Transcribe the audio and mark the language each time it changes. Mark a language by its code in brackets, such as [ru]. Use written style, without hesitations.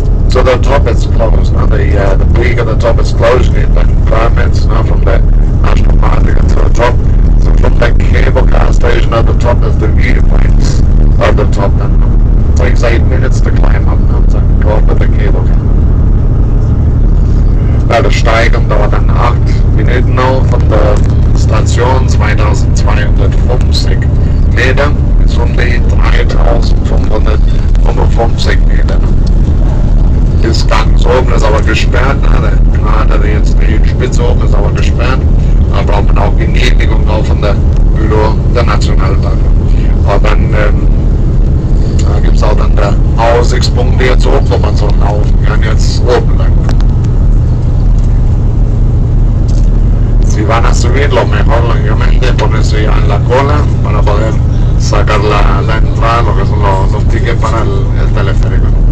[en] So the top is closed, and the peak at the top is closed. You need the permits now from the National Park to get to the top. So from the cable car station at the top is the viewpoints at the top. Then takes 8 minutes to climb up now to go up with the cable car. [de] Bei der Steigung dauert dann 8 Minuten noch von der Station 2250 Meter bis um die 3555 Meter. Ist ganz oben, ist aber gesperrt. Klar, da jetzt die Spitze oben ist aber gesperrt. Da braucht man auch Genehmigung auch von der Büro der Nationalbank. Aber dann da gibt es auch dann der Aussichtspunkt jetzt oben, wo man so laufen kann, jetzt oben lang. [es] Si van a subir, lo mejor, obviamente, ponerse ya en la cola para poder sacar la entrada, lo que son los tickets para el teleférico.